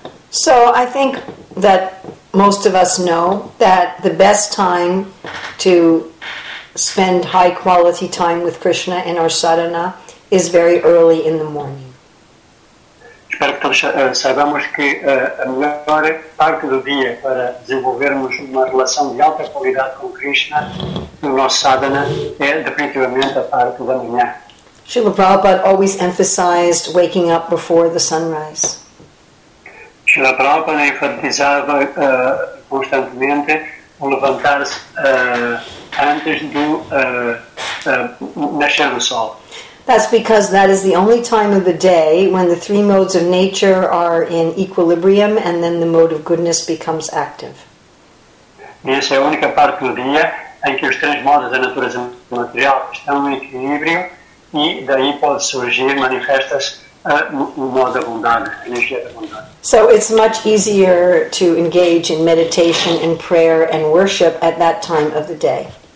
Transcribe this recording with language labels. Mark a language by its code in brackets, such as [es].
[en] So, I think that most of us know that the best time to spend high quality time with Krishna in our sadhana is very early in the morning. [pt] Espero que todos saibamos que a melhor parte do dia para desenvolvermos uma relação de alta qualidade com Krishna no nosso sadhana é definitivamente a parte da manhã. [en] Srila Prabhupada always emphasized waking up before the sunrise. [pt] Srila Prabhupada enfatizava constantemente o levantar-se antes do nascer do sol. [en] That's because that is the only time of the day when the three modes of nature are in equilibrium and then the mode of goodness becomes active. [pt] E essa é a única parte do dia em que os três modos da natureza material estão em equilíbrio e daí pode surgir, manifestas o modo abundante, a energia abundante. [en] So it's much easier to engage in meditation and prayer and worship at that time of the day.